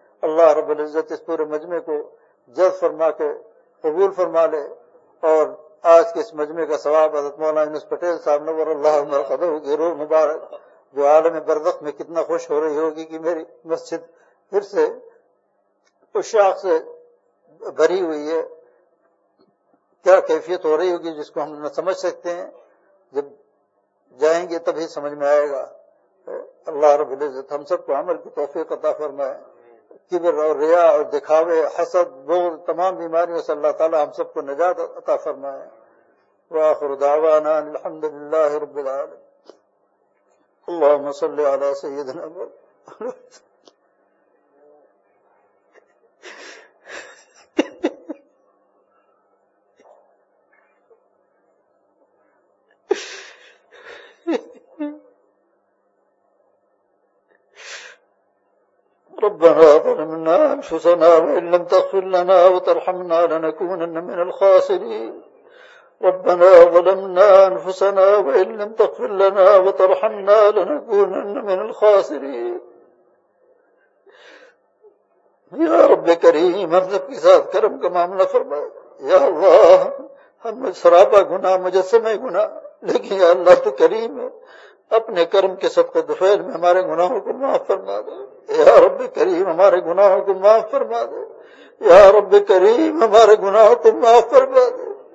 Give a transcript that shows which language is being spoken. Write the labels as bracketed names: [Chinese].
[Urdu] اللہ رب العزت اس پورے مجمع کو جذب فرما کے قبول فرما لے, اور آج کے اس مجمع کا ثواب حضرت مولانا یونس پٹیل صاحب نور اللہ مرقدہ کی روح مبارک, جو عالم برزخ میں کتنا خوش ہو رہی ہوگی کہ میری مسجد پھر سے اس شاخ سے بھری ہوئی ہے, کیا کیفیت ہو رہی ہوگی جس کو ہم نہ سمجھ سکتے ہیں, جب جائیں گے تبھی سمجھ میں آئے گا. اللہ رب العزت ہم سب کو عمل کی توفیق عطا فرمائے. کبر اور ریا اور دکھاوے حسد بغض تمام بیماریوں سے اللہ تعالی ہم سب کو نجات عطا فرمائے. [Arabic] وآخر دعوانا الحمد للہ رب العالمین, اللهم صل على سيدنا محمد. ربنا ظلمنا أنفسنا وإن لم تغفر لنا وترحمنا لنكونن من الخاسرين. ربنا ظلمنا أنفسنا وإن لم تغفر لنا وترحمنا لنكونن من الخاسرين. [Urdu] يا رب كريم ارزق کے ساتھ کرم کا معاملہ فرما. یا اللہ ہم سرابا گناہ مجسم گناہ, لیکن یا اللہ تو کریم ہے, اپنے کرم کے صدقہ دفعیل میں ہمارے گناہوں کو معاف فرما دے. یا رب کریم ہمارے گناہوں کو معاف فرما دے. یا رب کریم ہمارے گناہوں کو معاف فرما دے.